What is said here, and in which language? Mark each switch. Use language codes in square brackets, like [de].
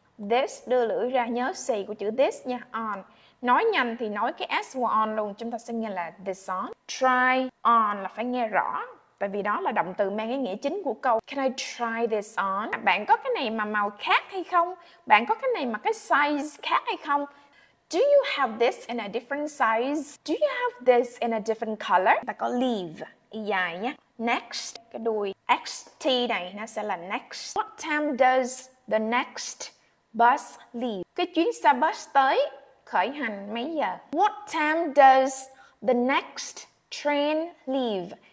[vi] This đưa lưỡi ra nhớ xì của chữ this nha, on. Nói nhanh thì nói cái S của on luôn, chúng ta sẽ nghe là this on. Try on là phải nghe rõ, tại vì đó là động từ mang ý nghĩa chính của câu. [en] Can I try this on? [vi] Bạn có cái này mà màu khác hay không? Bạn có cái này mà cái size khác hay không? [en] Do you have this in a different size? Do you have this in a different color? [vi] Ta có leave, y dài nhé. Next, cái đuôi XT này nó sẽ là next. [en] What time does the next bus leave? [vi] Cái chuyến xe bus tới khởi hành mấy giờ? [en] What time does the next train leave?